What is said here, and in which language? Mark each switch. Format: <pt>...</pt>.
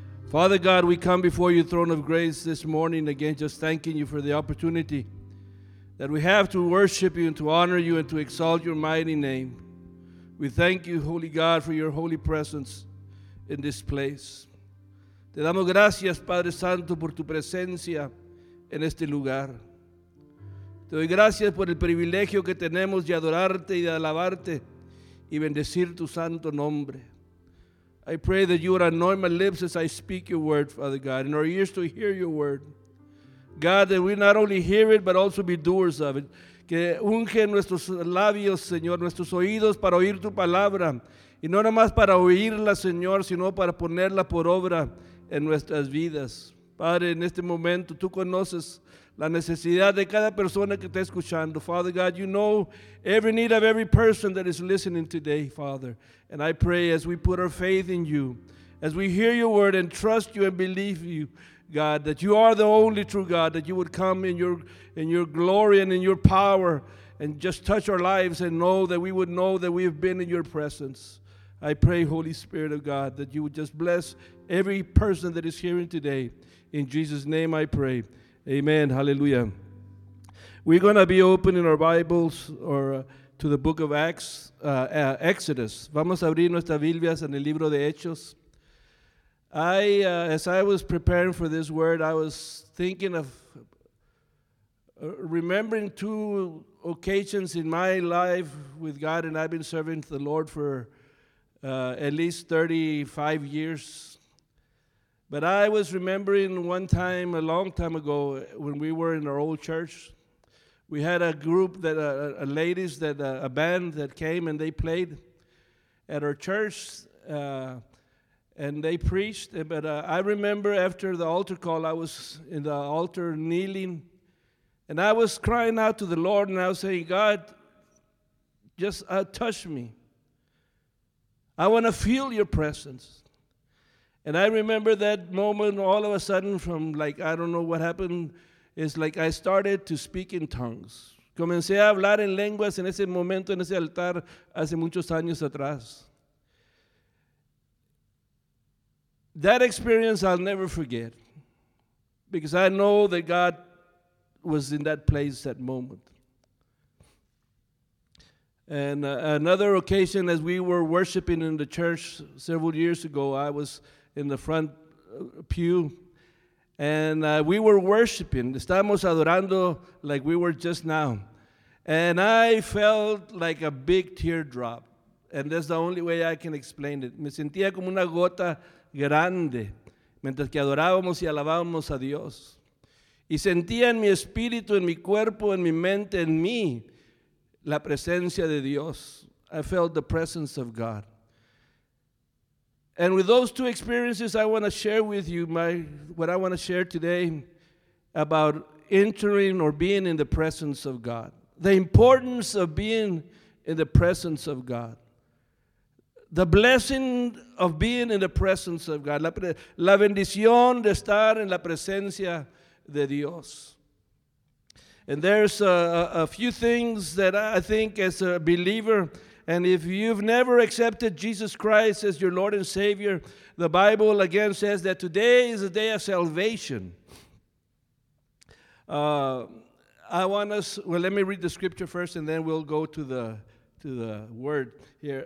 <en>Father God, we come before your throne of grace this morning again, just thanking you for the opportunity that we have to worship you and to honor you and to exalt your mighty name. We thank you, Holy God, for your holy presence in this place.</en> <es>Te damos gracias, Padre Santo, por tu presencia en este lugar. Te doy gracias por el privilegio que tenemos de adorarte y de alabarte y bendecir tu santo nombre.</es> <en>I pray that you would anoint my lips as I speak your word, Father God, and our ears to hear your word. God, that we not only hear it, but also be doers of it.</en> <es>Que unge nuestros labios, Señor, nuestros oídos para oír tu palabra. Y no nada más para oírla, Señor, sino para ponerla por obra en nuestras vidas. Padre, en este momento, tú conoces la necesidad de cada persona que está escuchando.</es> <en>Father God, you know every need of every person that is listening today, Father. And I pray as we put our faith in you, as we hear your word and trust you and believe you, God, that you are the only true God, that you would come in your glory and in your power and just touch our lives and know that we would know that we have been in your presence. I pray, Holy Spirit of God, that you would just bless every person that is hearing today. In Jesus' name I pray. Amen. Hallelujah. We're going to be opening our Bibles to the book of Acts, Exodus.</en> <es>Vamos a abrir nuestras Biblias en el libro de Hechos.</es> <en>As I was preparing for this word, I was thinking of remembering two occasions in my life with God, and I've been serving the Lord for at least 35 years. But I was remembering one time, a long time ago, when we were in our old church. We had a group, a band that came, and they played at our church, and they preached. But I remember after the altar call, I was in the altar kneeling, and I was crying out to the Lord, and I was saying, God, just touch me. I want to feel your presence. And I remember that moment all of a sudden from, like, I don't know what happened. It's like I started to speak in tongues.</en> <es>Comencé a hablar en lenguas en ese momento, en ese altar, hace muchos años atrás.</es> <en>That experience I'll never forget. Because I know that God was in that place that moment. And another occasion, as we were worshiping in the church several years ago, I was in the front pew, and we were worshiping.</en> <es>Estamos adorando</es> <en>like we were just now. And I felt like a big teardrop, and that's the only way I can explain it.</en> <es>Me sentía como una gota grande mientras que adorábamos y alabábamos a Dios. Y sentía en mi espíritu, en mi cuerpo, en mi mente, en mí, la presencia de Dios.</es> <en>I felt the presence of God. And with those two experiences, I want to share with you what I want to share today about entering or being in the presence of God. The importance of being in the presence of God. The blessing of being in the presence of God.</en> <es>La bendición de estar en la presencia de Dios.</es> <en>And there's a few things that I think as a believer. And if you've never accepted Jesus Christ as your Lord and Savior, the Bible again says that today is a day of salvation. Let me read the scripture first, and then we'll go to the word here.</en>